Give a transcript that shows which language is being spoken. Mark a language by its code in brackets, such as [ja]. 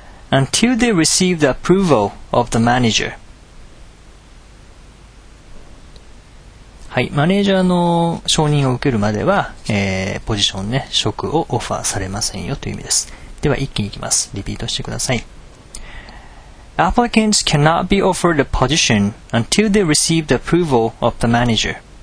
[en] Until they receive the approval of the manager。 [ja] はい、マネージャーの承認を受けるまでは、ポジションね、職をオファーされませんよという意味です。では一気にいきます。リピートしてください。 [en] Applicants cannot be offered a position until they receive the approval of the manager。